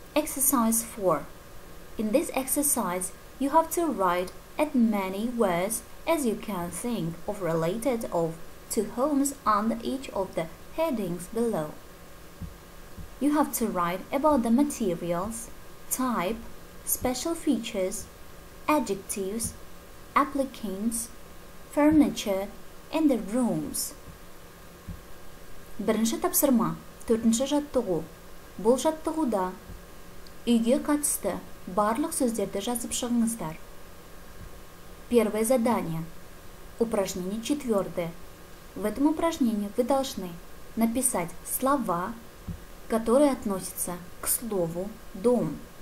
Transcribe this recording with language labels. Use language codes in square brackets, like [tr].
[en] Exercise 4. In this exercise, you have to write as many words as you can think of related of to homes under each of the headings below. You have to write about the materials, type, special features, adjectives, applicants, furniture, and the rooms. [kk] Бірінші тапсырма, төртінші жаттығу. Бұл жаттығуда үйге қатысты барлық сөздерді жазып шығыңыздар. [ru] Первое задание. Упражнение четвертое. В этом упражнении вы должны написать слова, которые относятся к слову «дом».